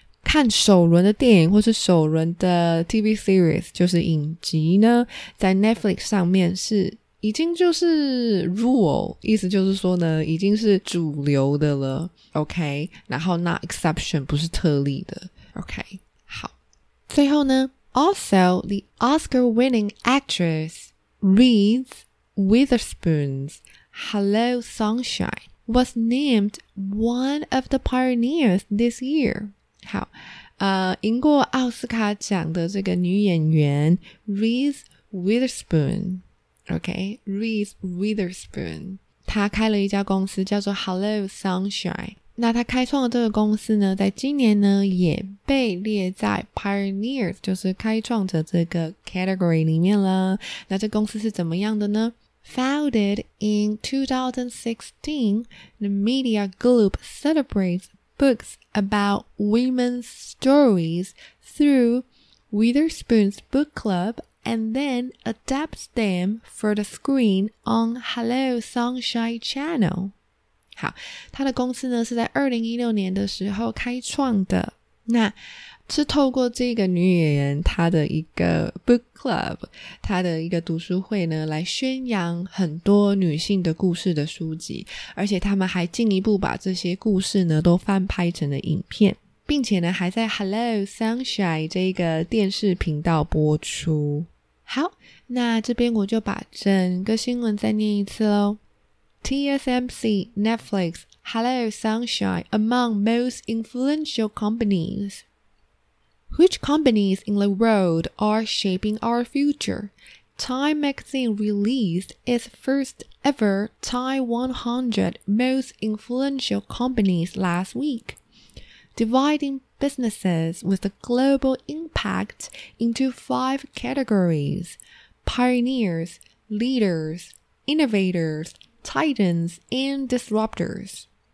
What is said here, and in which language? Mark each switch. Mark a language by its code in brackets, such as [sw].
[zh] 看首轮的电影或是首轮的 TV series 就是影集呢，在 Netflix 上面是已经就是 rule， 意思就是说呢已经是主流的了， OK， 然后 [en] not exception [zh] 不是特例的， OK。好，最后呢， [en] also the Oscar winning actress Reese Witherspoon's Hello Sunshine was named one of the pioneers this year。 [zh] 好，赢过奥斯卡奖的这个女演员 Reese Witherspoon， OK， Reese Witherspoon， 她开了一家公司叫做 Hello Sunshine。那她开创的这个公司呢，在今年呢也被列在 Pioneers 就是开创者这个 category 里面了。那这公司是怎么样的呢？ [en] Founded in 2016, the media group celebrates books about women's stories through Witherspoon's book club and then adapts them for the screen on Hello Sunshine Channel. [zh] 好，他的公司呢是在2016年的时候开创的，那是透过这个女演员她的一个 book club， 她的一个读书会呢来宣扬很多女性的故事的书籍，而且他们还进一步把这些故事呢都翻拍成了影片，并且呢还在 Hello Sunshine 这个电视频道播出。好，那这边我就把整个新闻再念一次咯。 [en] TSMC, Netflix, Hello Sunshine among most influential companiesWhich companies in the world are shaping our future? Time magazine released its first ever Time 100 Most Influential Companies last week, dividing businesses with a global impact into five categories: pioneers, leaders, innovators, titans, and disruptors.